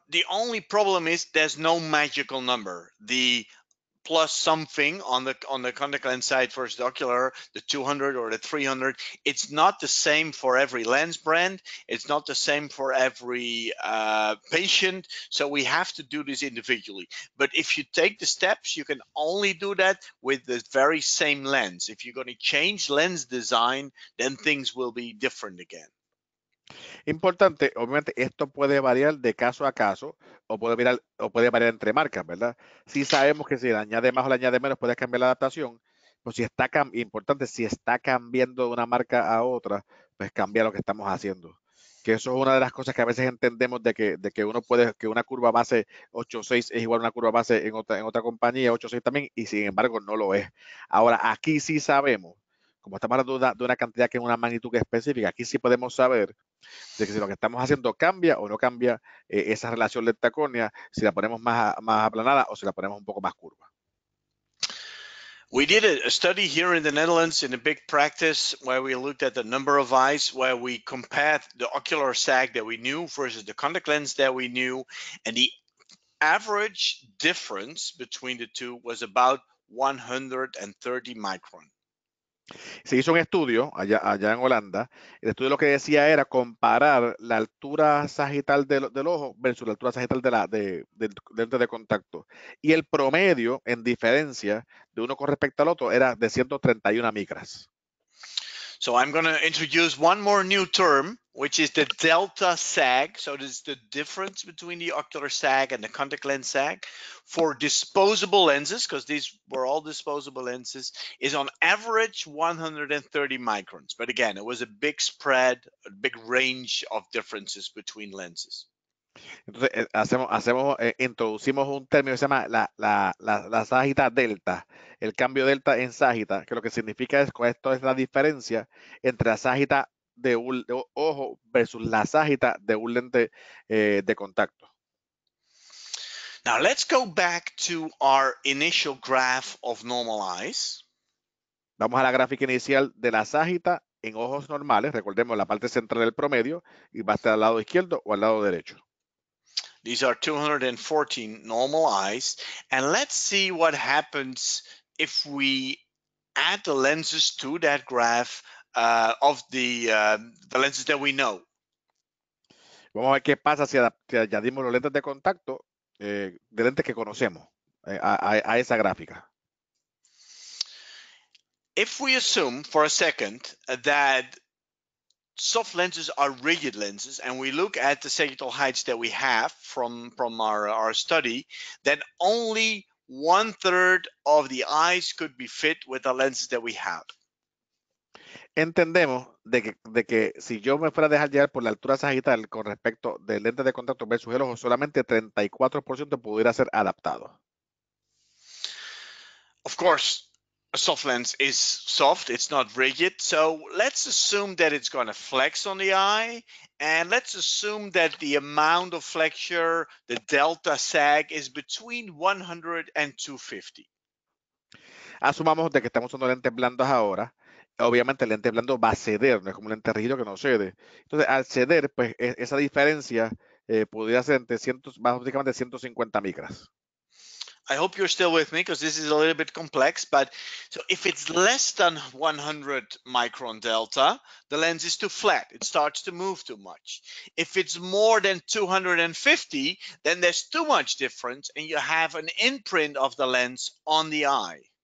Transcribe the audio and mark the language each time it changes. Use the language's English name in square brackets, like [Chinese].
[English] The only problem is there's no magical number. The plus something on the contact lens side versus the ocular, the 200 or the 300, it's not the same for every lens brand. It's not the same for every patient. So we have to do this individually. But if you take the steps, you can only do that with the very same lens. If you're going to change lens design, then things will be different again. [Spanish] Importante, obviamente esto puede variar de caso a caso o puede variar entre marcas, ¿verdad? Si sabemos que si le añade más o le añade menos puede cambiar la adaptación, pues si está cambiando de una marca a otra, pues cambia lo que estamos haciendo. Que eso es una de las cosas que a veces entendemos de que uno puede que una curva base 8.6 es igual a una curva base en otra compañía 8.6 también y sin embargo no lo es. Ahora aquí sí sabemos. Como estamos hablando de una cantidad que es una magnitud específica, aquí sí podemos saber de que si lo que estamos haciendo cambia o no cambia esa relación lenta-córnea, si la ponemos más aplanada o si la ponemos un poco más curva. [English] We did a study here in the Netherlands in a big practice where we looked at the number of eyes, where we compared the ocular sag that we knew versus the contact lens that we knew, and the average difference between the two was about 130 microns. [Spanish] Se hizo un estudio allá en Holanda. El estudio lo que decía era comparar la altura sagital del ojo versus la altura sagital del lente de contacto. Y el promedio en diferencia de uno con respecto al otro era de 131 micras. [English] So I'm going to introduce one more new term, which is the delta sag. So this is the difference between the ocular sag and the contact lens sag for disposable lenses, because these were all disposable lenses, is on average 130 microns. But again, it was a big spread, a big range of differences between lenses. [Spanish] Entonces, introducimos un término que se llama la sagita delta, el cambio delta en sagita, que lo que significa es que esto es la diferencia entre la sagita de un ojo versus la sagita de un lente de contacto. [English] Now, let's go back to our initial graph of normal eyes. [Spanish] Vamos a la gráfica inicial de la sagita en ojos normales. Recordemos la parte central del promedio y va a estar al lado izquierdo o al lado derecho. [English] These are 214 normal eyes. And let's see what happens if we add the lenses to that graph of the lenses that we know. [Spanish] Vamos a ver qué pasa si añadimos los lentes de contacto de lentes que conocemos a esa gráfica. [English] If we assume for a second that soft lenses are rigid lenses, and we look at the sagittal heights that we have from our study, then only one third of the eyes could be fit with the lenses that we have. [Spanish] Entendemos de que si yo me fuera a dejar llevar por la altura sagital con respecto del lente de contacto versus el ojo, solamente 34% pudiera ser adaptado. [English] Of course. A soft lens is soft, it's not rigid. So let's assume that it's going to flex on the eye. And let's assume that the amount of flexure, the delta sag, is between 100 and 250. [Spanish] Asumamos de que estamos usando lentes blandos ahora. Obviamente el lente blando va a ceder, no es como un lente rígido que no cede. Entonces al ceder, pues esa diferencia podría ser entre 100, más básicamente 150 micras. [English] I hope you're still with me because this is a little bit complex. But so if it's less than 100 micron delta, the lens is too flat. It starts to move too much. If it's more than 250, then there's too much difference and you have an imprint of the lens on the eye.